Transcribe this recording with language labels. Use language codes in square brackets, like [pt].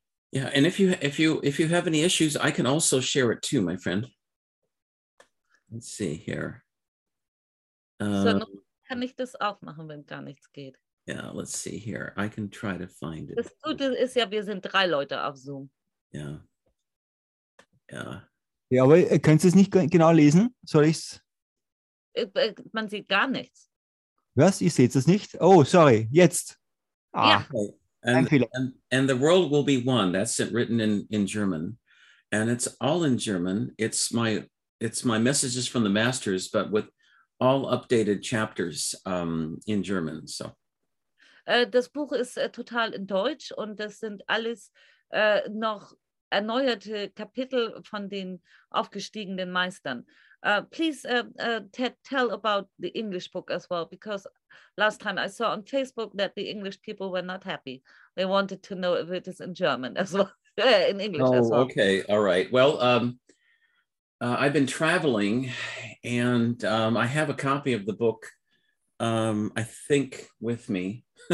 [en] Yeah, and if you have any issues, I can also share it too, my friend. Let's see here. [de] So kann ich das auch machen, wenn gar nichts geht. [en] Yeah, let's see here. I can try to find it. [de] Das Gute ist ja, wir sind drei Leute auf Zoom. [en] Yeah. [de] Ja, aber könntest du es nicht genau lesen? Soll ich's? Man sieht gar nichts. Was? Ihr seht es nicht? Oh, sorry. Jetzt. Ah. Ja. [en] And the world will be one. That's it written in German. And it's all in German. It's my messages from the masters, but with all updated chapters in German. So. [de] Das Buch ist total in Deutsch und das sind alles noch erneuerte Kapitel von den aufgestiegenen Meistern. [en] Please, Ted, tell about the English book as well, because last time I saw on Facebook that the English people were not happy. They wanted to know if it is in German as well, in English as well. Oh, okay, all right. Well, I've been traveling and I have a copy of the book, I think, with me.